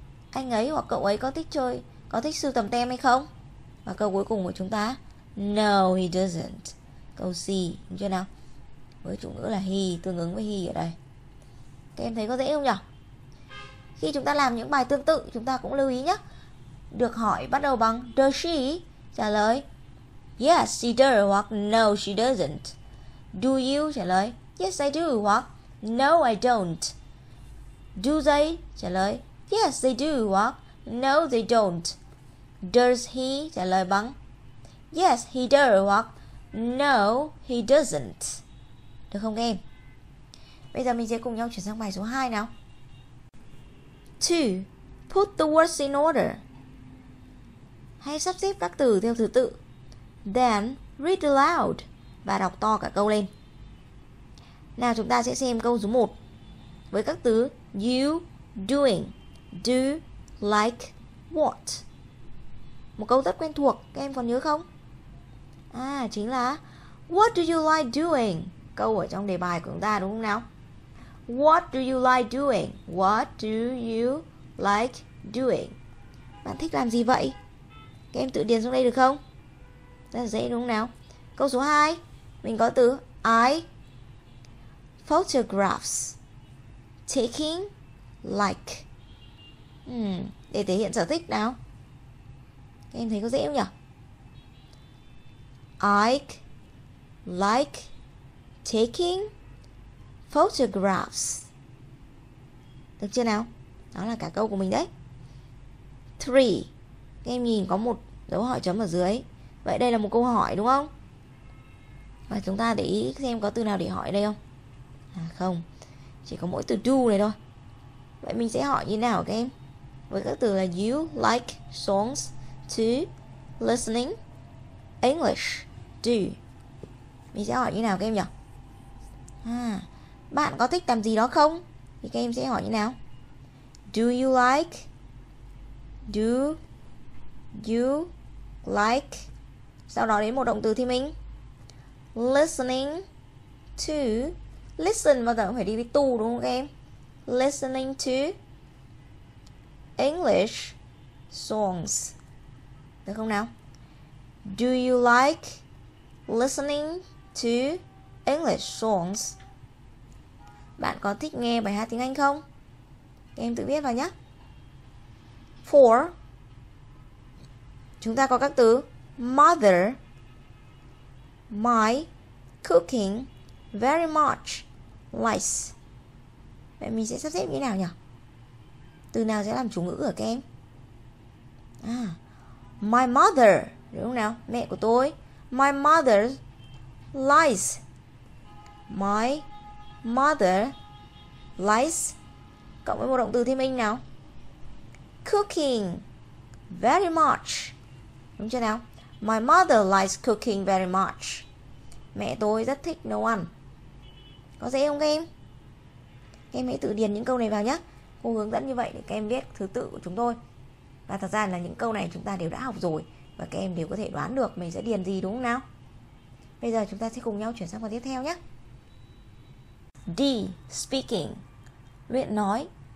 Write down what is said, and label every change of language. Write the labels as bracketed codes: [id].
[vi] Anh ấy hoặc cậu ấy có thích chơi, có thích sưu tầm tem hay không? Và câu cuối cùng của chúng ta, [en] No, he doesn't. [vi] Câu C, đúng chưa nào? Với chủ ngữ là he, tương ứng với he ở đây. Các em thấy có dễ không nhỉ? Khi chúng ta làm những bài tương tự, chúng ta cũng lưu ý nhé. Được hỏi bắt đầu bằng [en] Does she? [vi] Trả lời [en] Yes, she does [vi] hoặc [en] No, she doesn't. Do you? [vi] Trả lời [en] Yes, I do [vi] hoặc [en] No, I don't. Do they? [vi] Trả lời [en] Yes, they do [vi] hoặc [en] No, they don't. Does he? [vi] Trả lời bằng [en] Yes, he does [vi] hoặc [en] No, he doesn't. [vi] Được không em? Bây giờ mình sẽ cùng nhau chuyển sang bài số 2 nào. 2. [en] Put the words in order. [vi] Hãy sắp xếp các từ theo thứ tự. [en] Then read aloud. [vi] Và đọc to cả câu lên. Nào chúng ta sẽ xem câu số 1. Với các từ you, doing, do, like, what. Một câu rất quen thuộc, các em còn nhớ không? À, chính là [en] What do you like doing? [vi] Câu ở trong đề bài của chúng ta đúng không nào? [en] What do you like doing? What do you like doing? [vi] Bạn thích làm gì vậy? Các em tự điền xuống đây được không? Rất là dễ đúng không nào? Câu số 2. Mình có từ [en] I photographs taking like. [vi] Để thể hiện sở thích nào. Các em thấy có dễ không nhỉ? [en] I like taking photographs. [vi] Được chưa nào? Đó là cả câu của mình đấy. 3. Các em nhìn có một dấu hỏi chấm ở dưới. Vậy đây là một câu hỏi đúng không? Và chúng ta để ý xem có từ nào để hỏi đây không? À không. Chỉ có mỗi từ do này thôi. Vậy mình sẽ hỏi như thế nào các em? Với các từ là [en] you like songs to listening English do. [vi] Mình sẽ hỏi như thế nào các em nhỉ? À, bạn có thích làm gì đó không? Thì các em sẽ hỏi như nào? [en] Do you like? Do you like? [vi] Sau đó đến một động từ thì mình listening to. Listen bao giờ cũng phải đi với to đúng không các em? [en] Listening to English songs. [vi] Được không nào? [en] Do you like listening to English songs? [vi] Bạn có thích nghe bài hát tiếng Anh không? Các em tự viết vào nhé. 4. Chúng ta có các từ mother, my, cooking, very much, likes. Vậy mình sẽ sắp xếp như thế nào nhỉ? Từ nào sẽ làm chủ ngữ ở các em? À, [en] my mother, [vi] đúng không nào? Mẹ của tôi. [en] My mother likes. My mother likes. [vi] Cộng với một động từ thêm mình nào. [en] Cooking very much. [vi] Đúng chưa nào? [en] My mother likes cooking very much. [vi] Mẹ tôi rất thích nấu ăn. Có dễ không các em? Các em hãy tự điền những câu này vào nhé. Cô hướng dẫn như vậy để các em biết thứ tự của chúng tôi. Và thật ra là những câu này chúng ta đều đã học rồi. Và các em đều có thể đoán được mình sẽ điền gì đúng không nào? Bây giờ chúng ta sẽ cùng nhau chuyển sang phần tiếp theo nhé. D. Speaking. Luyện nói.